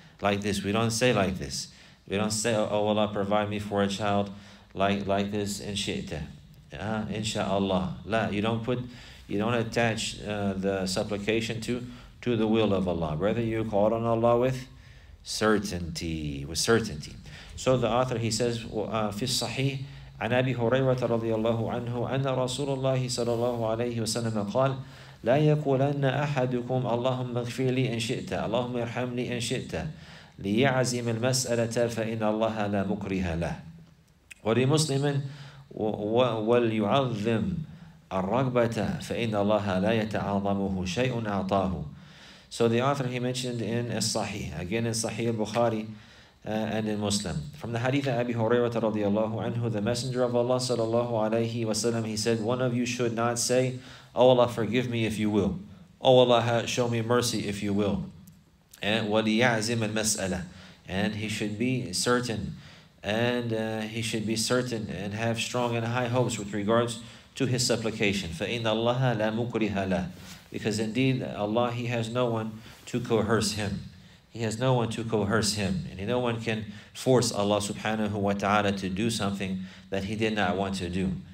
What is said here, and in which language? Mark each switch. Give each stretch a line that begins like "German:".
English: Like this, we don't say like this. We don't say, "Oh Allah, provide me for a child like this, in shi'ta." Insha'Allah. La, you don't attach the supplication to the will of Allah. Brother, you call on Allah with certainty. So the author, he says,
Arabic: في الصحيح عن أبي هريرة رضي الله عنه أن رسول الله صلى الله عليه وسلم قال لا يقولن أحدكم اللهم اغفر لي إن شئت اللهم ارحمني إن شئت ليعزم المسألة فإن الله لا مكره له ولمسلم وليعظم الرغبة فإن الله لا يتعظمه شيء أعطاه.
English: So the author, he mentioned in As-Sahih, again in Sahih al-Bukhari and in Muslim. From the Hadith of Abi Hurairah radiallahu anhu, the Messenger of Allah sallallahu alayhi wa sallam, he said, "One of you should not say, 'Oh Allah, forgive me if you will. Oh Allah, show me mercy if you will.'"
Arabic: And وَلِيَعْزِمَ الْمَسْأَلَةِ.
English: And he should be certain. And he should be certain and have strong and high hopes with regards to his supplication.
Arabic: فَإِنَّ اللَّهَ لَا مُكْرِهَ لَهُ.
English: Because indeed, Allah, He has no one to coerce Him. He has no one to coerce Him. And no one can force Allah subhanahu wa ta'ala to do something that He did not want to do.